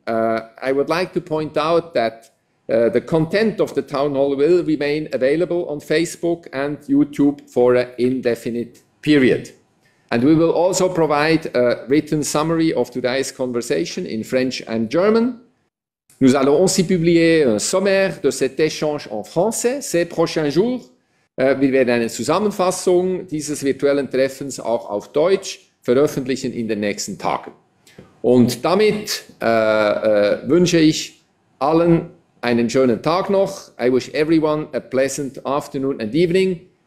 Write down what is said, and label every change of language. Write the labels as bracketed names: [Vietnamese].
[English] I would like to point out that the content of the town hall will remain available on Facebook and YouTube for an indefinite period. And we will also provide a written summary of today's conversation in French and German. [French] Nous allons aussi publier un sommaire de cet échange en français ces prochains jours. [German] Wir werden eine Zusammenfassung dieses virtuellen Treffens auch auf Deutsch veröffentlichen in den nächsten Tagen. Und damit wünsche ich allen einen schönen Tag noch. [English] I wish everyone a pleasant afternoon and evening.